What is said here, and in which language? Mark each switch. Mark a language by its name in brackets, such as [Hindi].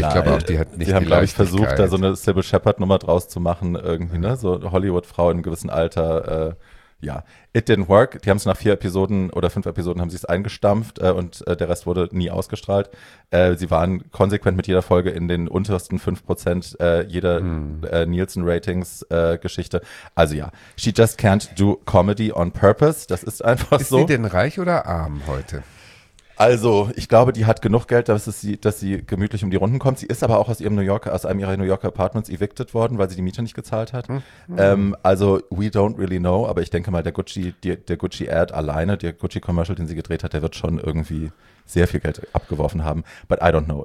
[German] ich glaube auch, die hat nicht. Sie haben, glaube ich, versucht, da so eine Sybil Shepherd-Nummer draus zu machen, irgendwie, ne? So Hollywood-Frau in einem gewissen Alter. Ja, [English] it didn't work. [German] Die haben es nach 4 Episoden oder 5 Episoden haben sie es eingestampft und der Rest wurde nie ausgestrahlt. Sie waren konsequent mit jeder Folge in den untersten 5% jeder Nielsen-Ratings-Geschichte. [English] Also ja, she just can't do comedy on purpose. [German] Das ist einfach so. Ist sie denn reich oder arm heute? Also, ich glaube, die hat genug Geld, dass sie gemütlich um die Runden kommt. Sie ist aber auch aus ihrem New Yorker, aus einem ihrer New Yorker Apartments evicted worden, weil sie die Miete nicht gezahlt hat. Mhm. Also, [English] we don't really know, [German] aber ich denke mal, der Gucci-Ad alleine, der Gucci-Commercial, den sie gedreht hat, der wird schon irgendwie sehr viel Geld abgeworfen haben. [English] But I don't know.